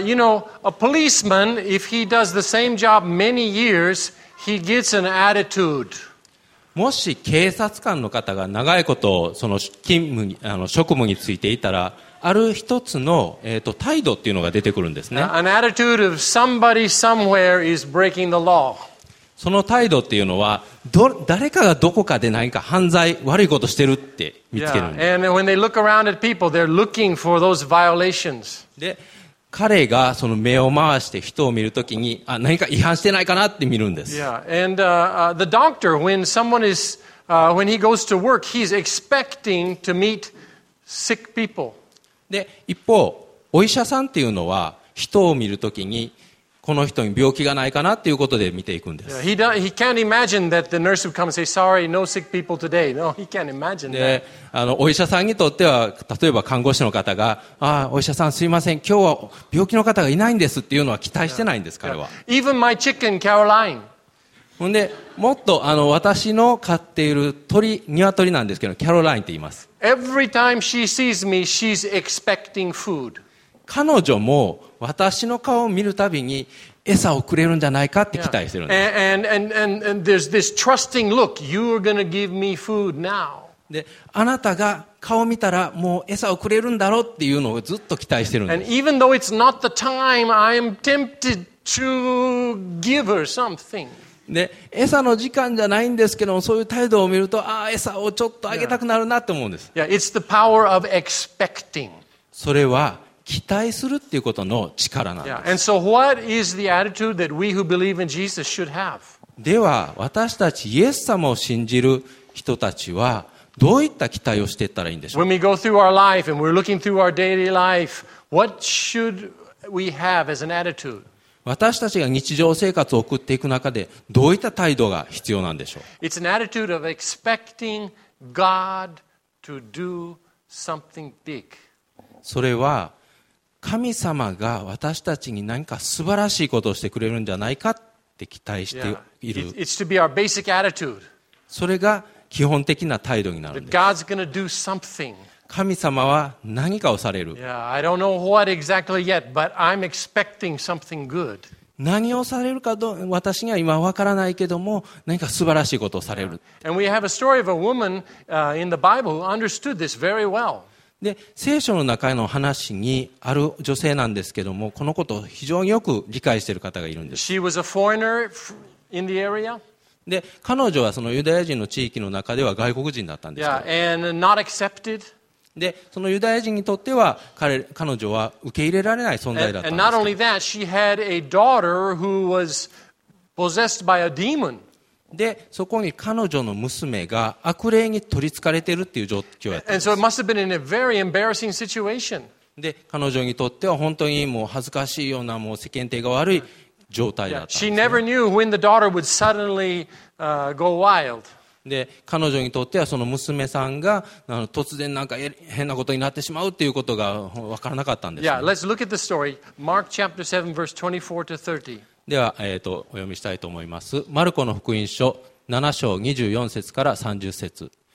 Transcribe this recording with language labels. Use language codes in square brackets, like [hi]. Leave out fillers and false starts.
[en] You know, a policeman, if he does the same job many years, he gets an attitude. [ja] もし警察官の方が長いことその勤務に、職務についていたら、ある一つの、態度っていうのが出てくるんですね。 [en] An attitude of somebody somewhere is breaking the law. [ja] その態度っていうのは、誰かがどこかで何か犯罪、悪いことしてるって見つけるんです。 [en] And when they look around at people, they're looking for those violations. [ja] で彼がその目を回して人を見るときに、あ、何か違反してないかなって見るんです。 [en] Yeah, and the doctor, when someone is, when he goes to work, he's expecting to meet sick people. [ja] で、一方、お医者さんっていうのは、人を見るときに、この人に病気がないかなっていうことで見ていくんです。 [en] Yeah, he can't imagine that the nurse would come and say, sorry, no sick people today. No, he can't imagine that. [ja] で、お医者さんにとっては、例えば看護師の方が、ああ、お医者さんすいません、今日は病気の方がいないんですっていうのは期待してないんです、彼は。 [en] Even my chicken, Caroline. [ja] ほんで、もっと私の飼っている鳥、鶏なんですけど、キャロラインって言います。 [en] Every time she sees me, she's expecting food. [ja] 彼女も、私の顔を見るたびに餌をくれるんじゃないかって期待してるんです。 [en] Yeah. And there's this trusting look. You're going to give me food now. [ja] で、あなたが顔を見たらもう餌をくれるんだろうっていうのをずっと期待してるんです。 [en] And even though it's not the time, I'm tempted to give her something. [ja] で、餌の時間じゃないんですけど、そういう態度を見ると、ああ、餌をちょっとあげたくなるなって思うんです。 [en] Yeah. Yeah. It's the power of expecting. [ja] それは期待するっていうことの力なんです。 [en] Yeah. And so what is the attitude that we who believe in Jesus should have? [ja] では私たちイエス様を信じる人たちはどういった期待をしていったらいいんでしょう。 [en] When we go through our life and we're looking through our daily life, what should we have as an attitude? [ja] 私たちが日常生活を送っていく中でどういった態度が必要なんでしょう。 [en] It's an attitude of expecting God to do something big. [ja] それは神様が私たちに何か素晴らしいことをしてくれるんじゃないかって期待している。 [en] Yeah. It's to be our basic attitude. [ja] それが基本的な態度になるんです。 [en] God's gonna do something. [ja] 神様は何かをされる。 [en] Yeah, I don't know what exactly yet, but I'm expecting something good. [ja] 何をされるかどうか私には今わからないけども、何か素晴らしいことをされる。 [en] Yeah. And we have a story of a woman, in the Bible who understood this very well. [ja] で、聖書の中の話にある女性なんですけども、このことを非常によく理解している方がいるんです。 [en] She was a foreigner in the area. [ja] で、彼女はそのユダヤ人の地域の中では外国人だったんですけど。 [en] Yeah, and not accepted. [ja] で、そのユダヤ人にとっては彼女は受け入れられない存在だったんです。 [en] And not only that, she had a daughter who was possessed by a demon. [ja] で、そこに彼女の娘が悪霊に取り憑かれているっていう状況だったんです。 [en] And so it must have been in a very embarrassing situation. [ja] で、彼女にとっては本当にもう恥ずかしいようなもう世間体が悪い状態だったんです、ね。 [en] Yeah. She never knew when the daughter would suddenly, go wild. [ja] で、彼女にとってはその娘さんが突然なんか変なことになってしまうということが分からなかったんです、ね。 [en] Yeah, let's look at the story. Mark chapter 7 verse 24 to 30. [ja] では、お読みしたいと思います。マルコの福音書7章24節から30節。